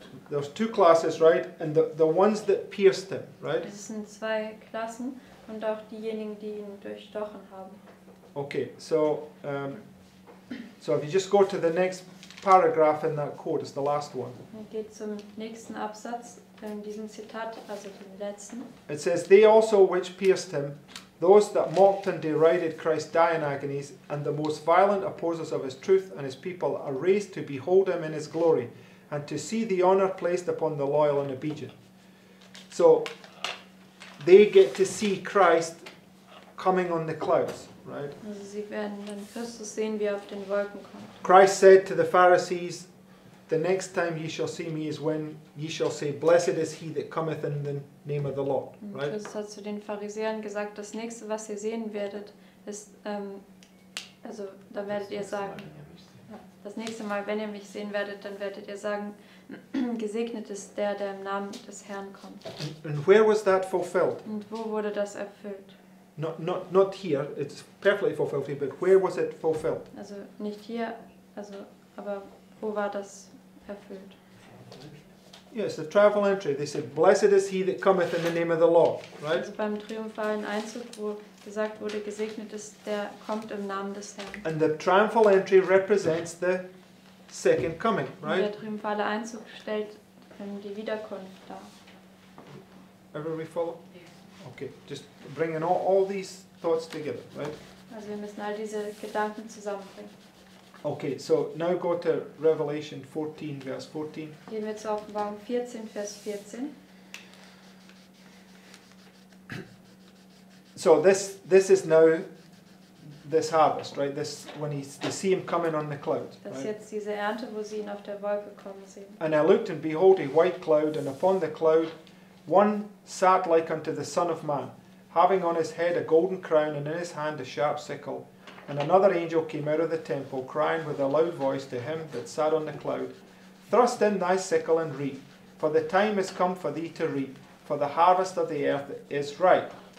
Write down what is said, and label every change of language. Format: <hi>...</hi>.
<en>There's two classes, right? And the ones that pierced him, right?</en> <de>Es sind zwei Klassen. und auch diejenigen, die ihn durchstochen haben.</de> <en>Okay, so so if you just go to the next paragraph in that quote, it's the last one.</en> <de>Geht zum nächsten Absatz in diesem Zitat, also dem letzten.</de> <en>It says, "They also which pierced him, those that mocked and derided Christ die in agonies, and the most violent opposers of his truth and his people are raised to behold him in his glory, and to see the honor placed upon the loyal and obedient." So they get to see Christ coming on the clouds, right?</en> <de>Also sie werden dann Christus sehen, wie er auf den Wolken kommt.</de> <en>Christ said to the Pharisees, "The next time ye shall see me is when ye shall say, 'Blessed is he that cometh in the name of the Lord.'" Right?</en> <de>Christus hat zu den Pharisäern gesagt, das nächste, was ihr sehen werdet, ist, also da werdet ihr sagen, das nächste Mal, wenn ihr mich sehen werdet, dann werdet ihr sagen, gesegnet ist der, der im Namen des Herrn kommt.</de> <en>And where was that fulfilled?</en> <de>Und wo wurde das erfüllt?</de> <en>Not here, it's perfectly fulfilled here, but where was it fulfilled?</en> <de>Also nicht hier, also, aber wo war das erfüllt?</de> <en>Yes, the triumphal entry. They said, "Blessed is he that cometh in the name of the Lord." Right?</en> <de>Also beim triumphalen Einzug, wo gesagt wurde, gesegnet ist der, kommt im Namen des Herrn.</de> <en>And the triumphal entry represents the second coming, right?</en> <de>Der triumphale Einzug stellt die Wiederkunft dar.</de> <en>Everybody follow? Yes. Okay, just bringing all these thoughts together, right?</en> <de>Also wir müssen all diese Gedanken zusammenbringen.</de> <en>Okay, so now go to Revelation 14, verse 14.</en> <de>Gehen wir zur Offenbarung 14, Vers 14.</de> <en>So this is now this harvest, right? This when they see him coming on the cloud.</en> <de>Das</de> <en>right?</en> <de>Jetzt diese Ernte, wo sie ihn auf der Wolke kommen sehen.</de> <en>And I looked, and behold, a white cloud, and upon the cloud one sat like unto the Son of Man, having on his head a golden crown, and in his hand a sharp sickle. And another angel came out of the temple, crying with a loud voice to him that sat on the cloud, "Thrust in thy sickle and reap, for the time is come for thee to reap, for the harvest of the earth is ripe."</en>